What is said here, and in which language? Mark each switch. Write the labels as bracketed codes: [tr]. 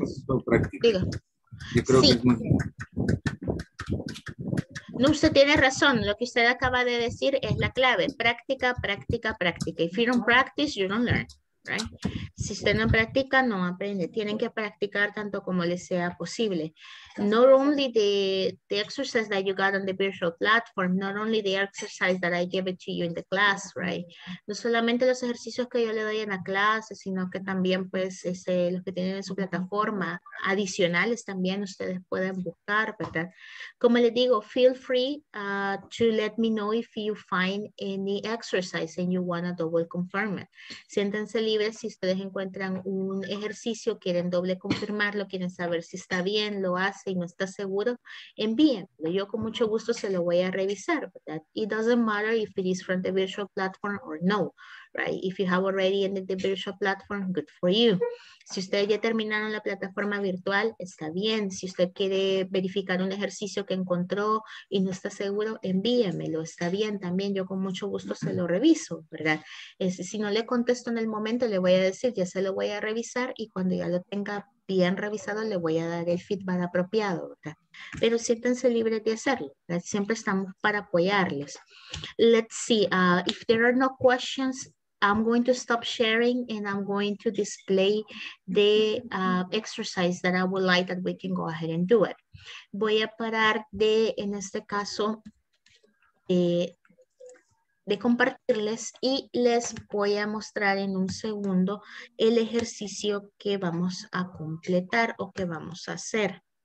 [es] Yo creo sí. Que es muy no, usted tiene razón. Lo que usted acaba de decir es la clave. Práctica, práctica, práctica. [en] If you don't practice, you don't learn. Right? [es] Si usted no practica, no aprende. Tienen que practicar tanto como les sea posible. [en] Not only the exercise that you got on the virtual platform, not only the exercise that I give it to you in the class, right? [es] No solamente los ejercicios que yo le doy en la clase, sino que también pues los que tienen en su plataforma adicionales también ustedes pueden buscar, ¿verdad? Como les digo, [en] feel free to let me know if you find any exercise and you want to double confirm it. [es] Siéntense libres si ustedes encuentran un ejercicio, quieren doble confirmarlo, quieren saber si está bien, lo hacen. Si no está seguro, envíenlo. Yo con mucho gusto se lo voy a revisar, ¿verdad? [en] It doesn't matter if it is from the virtual platform or no, right? If you have already ended the virtual platform, good for you. [es] Si ustedes ya terminaron la plataforma virtual, está bien. Si usted quiere verificar un ejercicio que encontró y no está seguro, envíenmelo. Está bien también. Yo con mucho gusto se lo reviso, ¿verdad? Si no le contesto en el momento, le voy a decir, ya se lo voy a revisar y cuando ya lo tenga bien revisado, le voy a dar el feedback apropiado, ¿verdad? Pero siéntense libres de hacerlo, ¿verdad? Siempre estamos para apoyarles. [en] Let's see, if there are no questions, I'm going to stop sharing and I'm going to display the exercise that I would like that we can go ahead and do it. [es] Voy a parar de, en este caso, de compartirles y les voy a mostrar en un segundo el ejercicio que vamos a completar o que vamos a hacer.